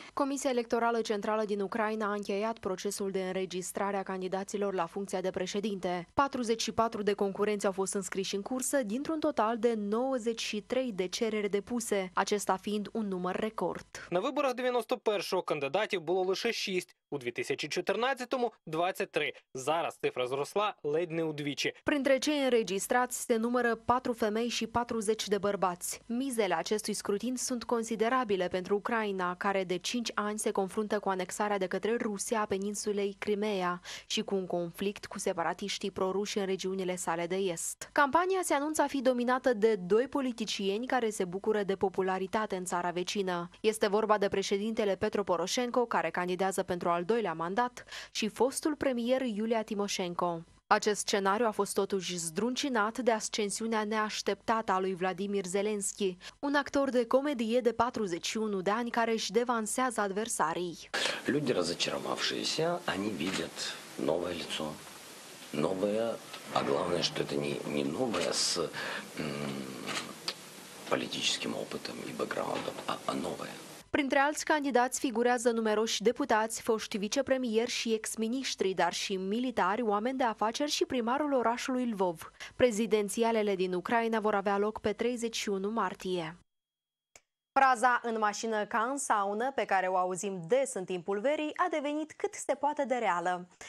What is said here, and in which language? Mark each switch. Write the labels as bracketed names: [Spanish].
[Romanian] Comisia Electorală Centrală din Ucraina a încheiat procesul de înregistrare a candidaților la funcția de președinte. 44 de concurenți au fost înscriși în cursă, dintr-un total de 93 de cereri depuse, acesta fiind un număr record. [Ukrainian] На виборах 91-го кандидатів було лише 6, у 2014-му 23. Зараз цифра зросла ледь не удвічі. [Romanian] Printre cei înregistrați se numără 4 femei și 40 de bărbați. Mizele acestui scrutin sunt considerabile pentru Ucraina, care de 5 ani se confruntă cu anexarea de către Rusia a peninsulei Crimeea și cu un conflict cu separatiștii proruși în regiunile sale de est. Campania se anunță a fi dominată de doi politicieni care se bucură de popularitate în țara vecină. Este vorba de președintele Petro Poroșenko, care candidează pentru al doilea mandat, și fostul premier Iulia Timoșenko. Acest scenariu a fost totuși zdruncinat de ascensiunea neașteptată a lui Vladimir Zelensky, un actor de comedie de 41 de ani care își devansează adversarii. [Russian] Люди разочаровавшиеся, они видят новое лицо, новое, а главное, что это не новое с политическим опытом и бэкграундом, а новое. [Romanian] Printre alți candidați figurează numeroși deputați, foști vicepremieri și ex-miniștri, dar și militari, oameni de afaceri și primarul orașului Lvov. Prezidențialele din Ucraina vor avea loc pe 31 martie. Fraza "în mașină ca în saună", pe care o auzim des în timpul verii, a devenit cât se poate de reală.